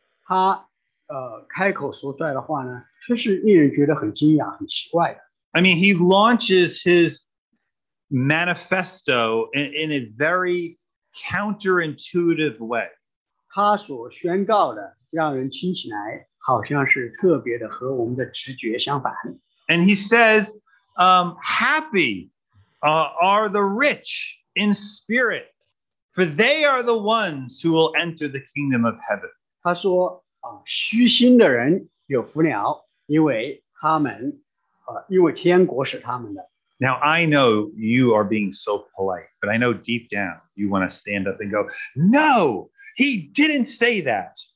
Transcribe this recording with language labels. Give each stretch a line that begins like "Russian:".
Chinese: 他开口说出来的话呢，确实令人觉得很惊讶，很奇怪的。
English: I mean, he launches his manifesto in a very counterintuitive way.
Chinese: 他所宣告的，让人听起来好像是特别的和我们的直觉相反。
English: And he says, happy are the rich in spirit, for they are the ones who will enter the kingdom of heaven.
Chinese: 他说，虚心的人有福了，因为他们
English: Now, I know you are being so polite, but I know deep down you want to stand up and go, no, he didn't say that.